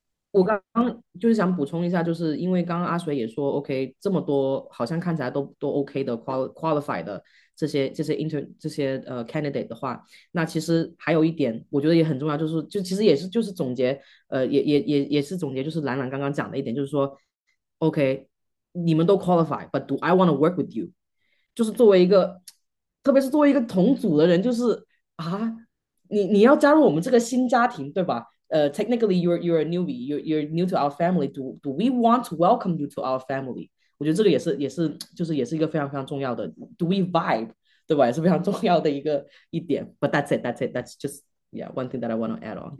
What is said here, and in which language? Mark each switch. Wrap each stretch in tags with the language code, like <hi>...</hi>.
<zh>我刚刚就是想补充一下，就是因为刚刚阿水也说，OK，这么多好像看起来都 OK 的 qualify 的这些candidate 的话，那其实还有一点，我觉得也很重要，就其实也是就是总结，也是总结，就是兰兰刚刚讲的一点，就是说，OK，你们都 qualify，</zh> <en>but do I want to work with you？</en> <zh>就是作为一个，特别是作为一个同组的人，就是啊，你要加入我们这个新家庭，对吧？</zh> <en>Technically you're a newbie, you're new to our family. Do we want to welcome you to our family?</en> <zh>我觉得这个也是一个非常非常重要的。</zh> <en>Do we vibe?</en> <zh>对吧？也是非常重要的一点。</zh> <en>But that's just one thing that I want to add on.</en>